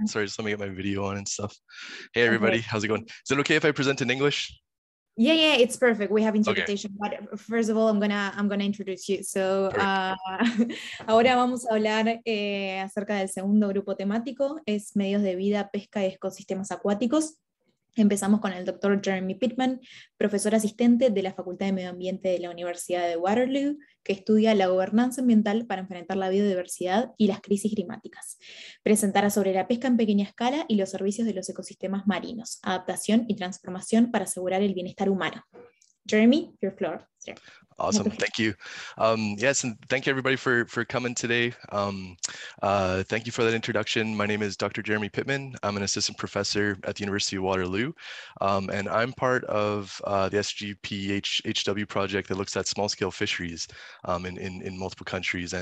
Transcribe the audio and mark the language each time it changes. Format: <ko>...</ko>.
<en>Sorry, just let me get my video on and stuff. Hey, everybody, how's it going? Is it okay if I present in English? Yeah, it's perfect. We have interpretation, okay. But first of all, I'm gonna introduce you.</en> <es>So, ahora vamos a hablar acerca del segundo grupo temático, es medios de vida, pesca y ecosistemas acuáticos. Empezamos con el Dr. Jeremy Pittman, profesor asistente de la Facultad de Medio Ambiente de la Universidad de Waterloo, que estudia la gobernanza ambiental para enfrentar la biodiversidad y las crisis climáticas. Presentará sobre la pesca en pequeña escala y los servicios de los ecosistemas marinos, adaptación y transformación para asegurar el bienestar humano.</es> <en>Jeremy, your floor. Awesome, thank you. Yes, and thank you everybody for coming today. Thank you for that introduction. My name is Dr. Jeremy Pittman. I'm an assistant professor at the University of Waterloo, and I'm part of the SGPHW project that looks at small-scale fisheries in multiple countries.</en>